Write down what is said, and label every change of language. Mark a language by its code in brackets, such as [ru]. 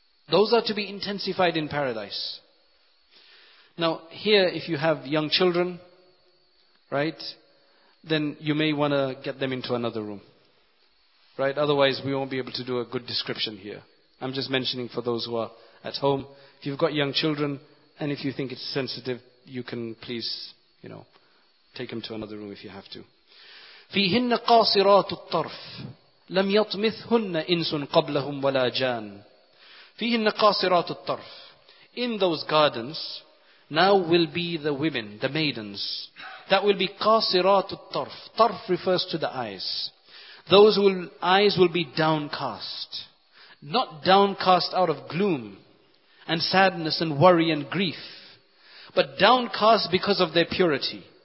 [en] Those are to be intensified in paradise. Now here, if you have young children, right, then you may want to get them into another room. Right? Otherwise we won't be able to do a good description here. I'm just mentioning for those who are at home. If you've got young children, and if you think it's sensitive, you can please, you know, take them to another room if you have to. [ar] فيهن قاصرات الطرف لم يطمثهن إنس قبلهم ولا جان. فيهن قاصرات الطرف. [en] In those gardens, now will be the women, the maidens. That will be [ar] قاصرات الطرف. [en] طرف refers to the eyes. Those will, eyes will be downcast. Not downcast out of gloom and sadness and worry and grief, but downcast because of their purity.